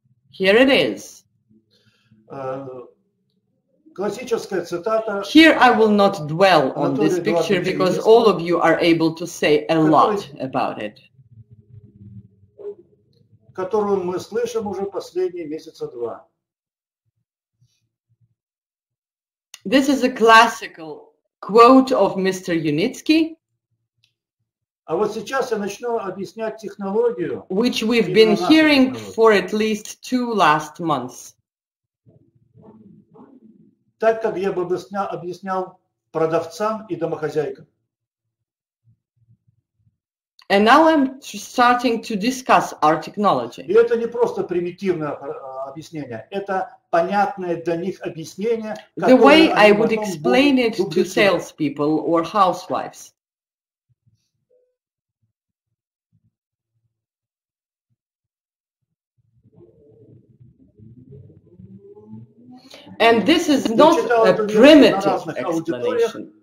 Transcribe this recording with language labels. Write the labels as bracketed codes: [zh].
[en] Here it is. [ru] Классическая цитата. [en] Here I will not dwell on this picture because all of you are able to say a lot about it. [ru] Которую мы слышим уже последние месяца два. [en] This is a classical quote of Mr. Yunitsky. [ru] А вот сейчас я начну объяснять технологию, [en] which we've been hearing for at least two last months. [ru] Так, как я бы объяснял продавцам и домохозяйкам. [en] And now I'm starting to discuss our technology. [ru] И это не просто примитивное объяснение, это понятное для них объяснение. [en] The way I would explain it to salespeople or housewives. And this is not a primitive explanation.